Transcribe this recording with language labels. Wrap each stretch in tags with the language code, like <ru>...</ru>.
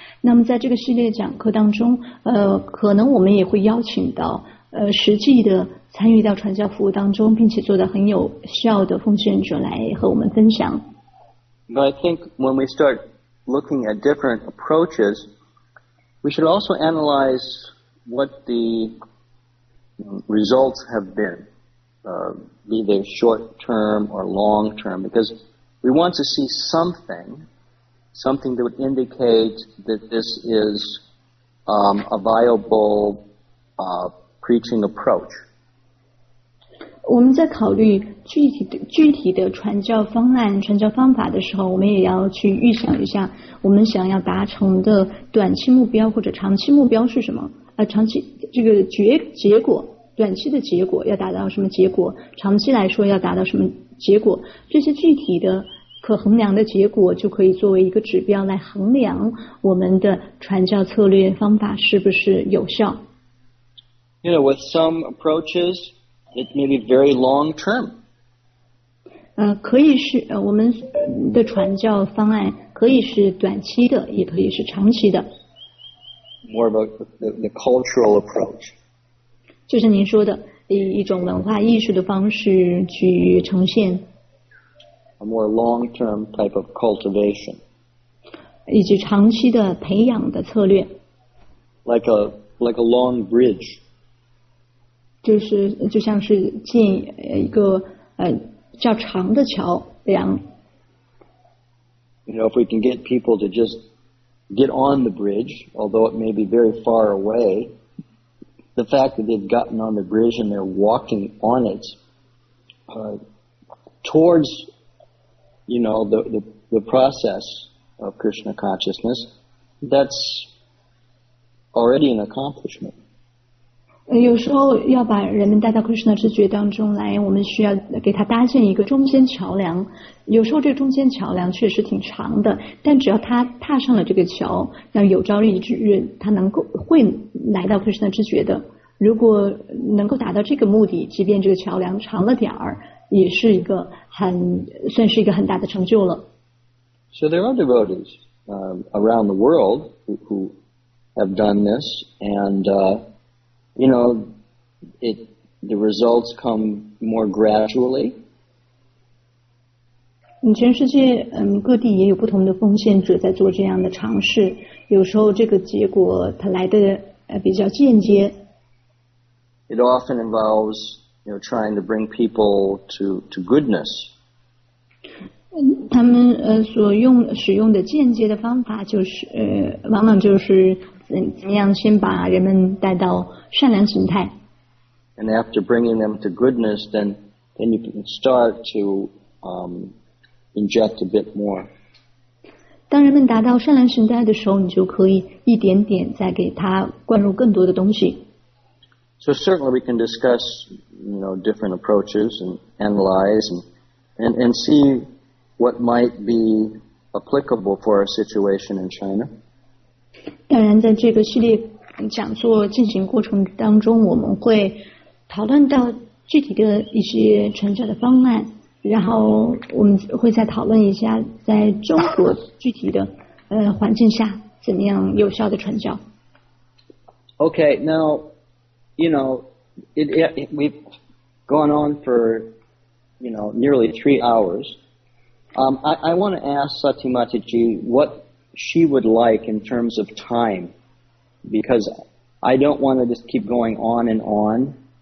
<zh>那么在这个系列讲课当中，可能我们也会邀请到实际的参与到传教服务当中并且做得很有效的奉献者来和我们分享。</zh> <en>But I think when we start looking at different approaches, we should also analyze what the results have been, be they short term or long term, because we want to see something that would indicate that this is a viable preaching approach.</en> <zh>我们在考虑具体的传教方案、传教方法的时候，我们也要去预想一下，我们想要达成的短期目标或者长期目标是什么？长期这个结果，短期的结果要达到什么结果？长期来说要达到什么结果？这些具体的可衡量的结果就可以作为一个指标来衡量我们的传教策略方法是不是有效。</zh> <en>You know, with some approaches, it may be very long term.</en> <zh>可以是我们的传教方案可以是短期的，也可以是长期的。</zh> <en>More of the cultural approach.</en> <zh>就是您说的一种文化艺术的方式去呈现。</zh> <en>A more long-term type of cultivation.</en> <zh>以及长期的培养的策略。</zh> <en>Like a long bridge.</en> <zh>就像是建一个较长的桥梁。</zh> <en>You know, if we can get people to just get on the bridge, although it may be very far away, the fact that they've gotten on the bridge and they're walking on it, towards, you know, the process of Krishna consciousness, that's already an accomplishment.</en> <zh>有时候要把人们带到 Krishna 知觉当中来，我们需要给他搭建一个中间桥梁。有时候这中间桥梁确实挺长的，但只要他踏上了这个桥，那有朝一日他能够会来到 Krishna 知觉的。如果能够达到这个目的，即便这个桥梁长了点儿，也是一个很算是一个很大的成就了。</zh> <en>So there are devotees around the world who have done this and. You know, the results come more gradually.</en> <zh>全世界各地也有不同的奉献者在做这样的尝试，有时候这个结果它来的比较间接。</zh> <en>It often involves, you know, trying to bring people to goodness.</en> <zh>他们所用使用的间接的方法就是往往就是。怎么样先把人们带到善良形态</zh> <en>And after bringing them to goodness, then you can start to inject a bit more.</en> <zh>当人们达到善良形态的时候，你就可以一点点再给他灌入更多的东西。</zh> <en>So certainly we can discuss, you know, different approaches and analyze and see what might be applicable for our situation in China.</en> <zh>当然在这个系列讲座进行过程当中我们会讨论到具体的一些传教的方案然后我们会再讨论一下在中国具体的环境下怎么样有效的传教</zh> <en>Okay, now you know we've gone on for you know nearly 3 hours I want to ask Sati Mataji whatshe would like in terms of time because I don't want to just keep going on and on.</en>